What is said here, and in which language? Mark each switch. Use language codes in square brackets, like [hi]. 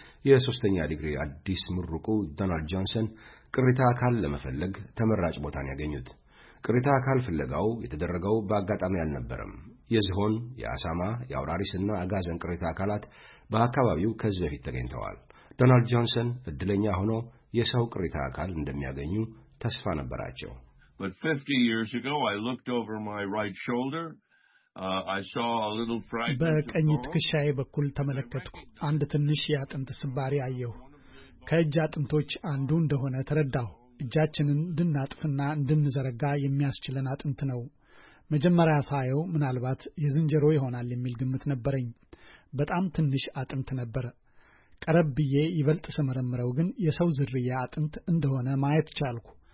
[am] የሶስተኛ ዲግሪ አዲስ ምሩቁ ዶናልድ ጆንሰን ቅሪታ አካል ለመፈለግ ተመራጭ ቦታን ያገኙት። ቅሪታ አካል ፍለጋው የተደረገው በአጋጣሚ አልነበረም። የዝሆን፣ የአሳማ፣ የአውራሪስና አጋዘን ቅሪታ አካላት በአካባቢው ከዚህ በፊት ተገኝተዋል። ዶናልድ ጆንሰን እድለኛ ሆኖ የሰው ቅሪታ አካል እንደሚያገኙ ተስፋ ነበራቸው። [en] But 50 years ago I looked over my right shoulder I saw a little fragment [am] በቀኝ ትከሻዬ በኩል ተመለከትኩ። አንድ ትንሽ ያጥንት ስባሪ አየሁ። ከእጅ አጥንቶች አንዱ እንደሆነ ተረዳሁ። እጃችንን እንድናጥፍና እንድንዘረጋ የሚያስችለን አጥንት ነው። መጀመሪያ ሳየው ምናልባት የዝንጀሮ ይሆናል የሚል ግምት ነበረኝ። በጣም ትንሽ አጥንት ነበር። ቀረብዬ ይበልጥ ስመረምረው ግን የሰው ዝርያ አጥንት እንደሆነ ማየት ቻልኩ።